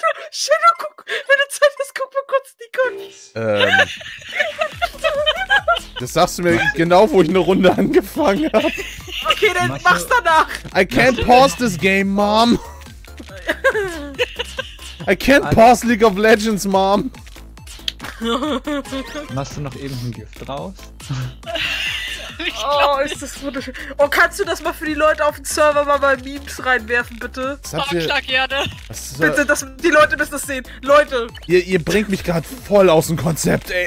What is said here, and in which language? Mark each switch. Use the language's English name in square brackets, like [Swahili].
[German] Shadow, guck, wenn du Zeit hast, guck mal kurz die Kunst. Das sagst du mir genau, wo ich eine Runde angefangen habe. Okay, dann mach's danach. [English] I can't pause this game, Mom. I can't pause League of Legends, Mom. [German] Machst du noch eben ein Gift raus? Oh, ist das wunderschön. Oh, kannst du das mal für die Leute auf den Server mal bei Memes reinwerfen, bitte? Klar, gerne. Bitte, dass die Leute müssen das sehen. Leute. Ihr bringt mich gerade voll aus dem Konzept, ey.